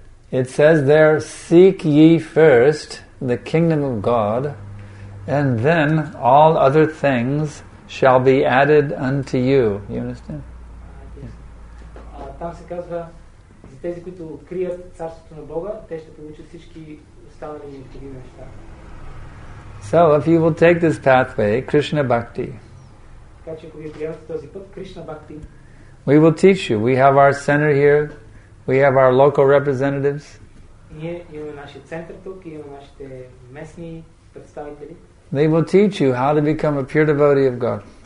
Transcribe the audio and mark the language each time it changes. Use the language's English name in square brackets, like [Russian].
[English] It says there, seek ye first the kingdom of God, and then all other things shall be added unto you. You understand? [Bulgarian] Там се казва, за тези, които открият царството на Бога, те ще получат всички останали необходими неща. [English] So, if you will take this pathway, Krishna Bhakti, [Bulgarian] така че, ако вие приемате този път, Krishna Bhakti, [English] we will teach you. We have our center here. We have our local representatives. [Bulgarian] Ние имаме нашия център тук, имаме нашите местни представители. [English] They will teach you how to become a pure devotee of God.